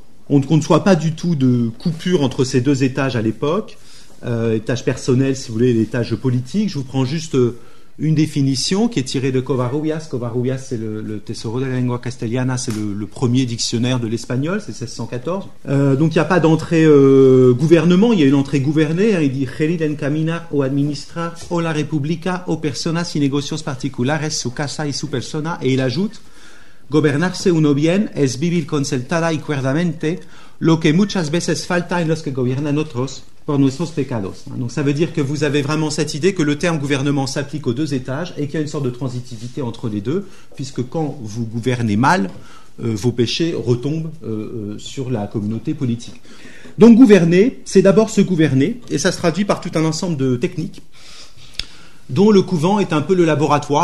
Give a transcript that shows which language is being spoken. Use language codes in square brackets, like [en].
[fr] On ne conçoit pas du tout de coupure entre ces deux étages à l'époque, étage personnel, si vous voulez, l'étage politique. Je vous prends juste une définition qui est tirée de Covarrubias. Covarrubias, c'est le Tesoro de la Lengua Castellana, c'est le premier dictionnaire de l'espagnol, c'est 1614. Donc il n'y a pas d'entrée gouvernement, il y a une entrée gouvernée. Hein, il dit « [es] Gerir, encaminar o administrar o la república o personas y negocios particulares, su casa y su persona [fr] » et il ajoute « [es] Gobernarse uno bien es vivir consultada y cuerdamente lo que muchas veces falta en los que gobiernan otros [fr] » pour [es] nuestros pecados. [fr] Donc ça veut dire que vous avez vraiment cette idée que le terme gouvernement s'applique aux deux étages et qu'il y a une sorte de transitivité entre les deux, puisque quand vous gouvernez mal, vos péchés retombent sur la communauté politique. Donc gouverner, c'est d'abord se gouverner, et ça se traduit par tout un ensemble de techniques dont le couvent est un peu le laboratoire.